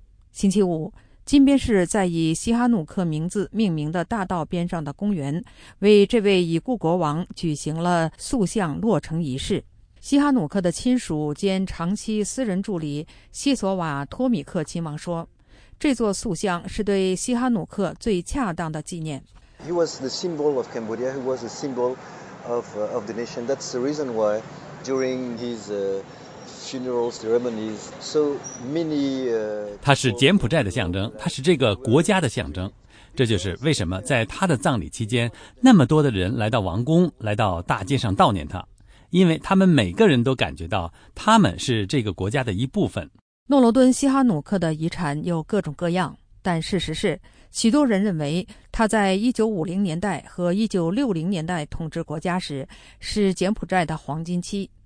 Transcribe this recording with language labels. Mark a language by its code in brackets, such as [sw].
[zh] 星期五，金边市在以西哈努克名字命名的大道边上的公园为这位已故国王举行了塑像落成仪式。西哈努克的亲属兼长期私人助理西索瓦托米克亲王说，这座塑像是对西哈努克最恰当的纪念。 [en] He was the symbol of Cambodia, he was a symbol of the nation. That's the reason why during his funeral ceremonies, so many. [zh] 他是柬埔寨的象征，他是这个国家的象征。这就是为什么在他的葬礼期间，那么多的人来到王宫，来到大街上悼念他，因为他们每个人都感觉到他们是这个国家的一部分。诺罗敦·西哈努克的遗产有各种各样，但事实是，许多人认为他在1950年代和1960年代统治国家时是柬埔寨的黄金期。